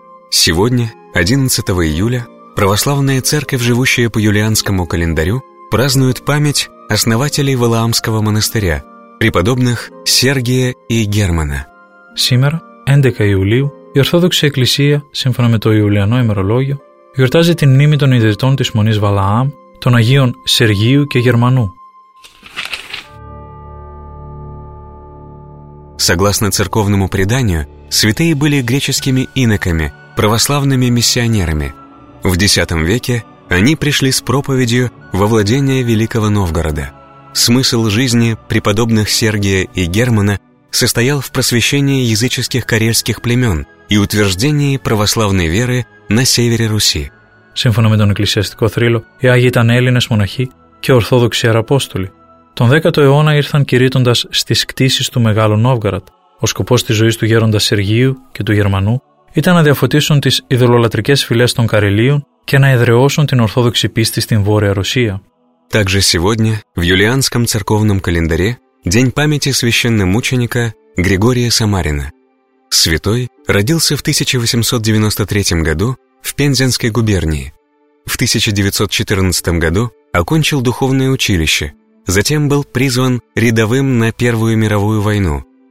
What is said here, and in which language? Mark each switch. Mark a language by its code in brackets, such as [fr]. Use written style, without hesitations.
[ru] Сегодня, 11 июля, православная церковь, живущая по юлианскому календарю, празднует память основателей Валаамского монастыря, преподобных Сергия и Германа. Сегодня, 11 июля, [el] η Ορθόδοξη Εκκλησία, σύμφωνα με το Ιουλιανό ημερολόγιο, γιορτάζει την μνήμη των ιδρυτών της Μονής Βαλαάμ, των Αγίων Σεργίου και Γερμανού. [ru] Согласно церковному преданию, святые были греческими иноками, православными миссионерами. В X веке они пришли с проповедью во владение Великого Новгорода. Смысл жизни преподобных Сергия и Германа состоял в просвещении языческих карельских племен и утверждении православной веры на севере Руси. [el] Сύμφωνα με τον εκκλησιαστικό θρύλο, οι Άγιοι ήταν Έλληνες μοναχοί και Ορθόδοξοι Ιεραπόστολοι. Τον 10ο αιώνα ήρθαν κηρύττοντας στις κτίσεις του Μεγάλου Νόβγαρατ. Ο σκοπός της ζωής του γέροντα Σεργίου και του Γερμανού ήταν να διαφωτίσουν τις ιδωλολατρικές φυλές των Καρελίων και να εδραιώσουν την Ορθόδοξη πίστη στην Βόρεια Ρωσία. [ru] Также сегодня в юлианском церковном календаре день памяти священномученика Григория Самарина. Святой родился в 1893 году в Пензенской губернии. В 1914 году окончил духовное училище, затем был призван рядовым на Первую мировую войну.